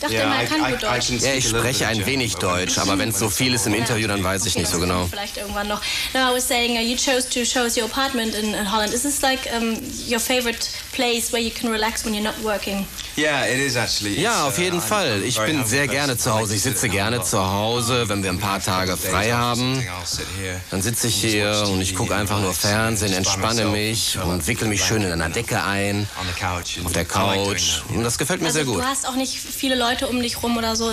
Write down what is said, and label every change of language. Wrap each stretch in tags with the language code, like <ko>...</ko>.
<de>Ich dachte, er kann gut Deutsch. Ja, ich spreche ein wenig Deutsch, aber wenn es so viel ist im Interview, dann weiß ich nicht so genau. Vielleicht irgendwann noch.</de> <en>No, I was saying, you chose to show us your apartment in Holland. Is this like your favorite place where you can relax when you're not working?</en> <de>Ja, auf jeden Fall. Ich bin sehr gerne zu Hause. Ich sitze gerne zu Hause, wenn wir ein paar Tage frei haben. Dann sitze ich hier und ich gucke einfach nur Fernsehen, entspanne mich und wickel mich schön in einer Decke ein, auf der Couch. Und das gefällt mir sehr gut. Du hast auch nicht viele Leute um dich rum oder so?</de>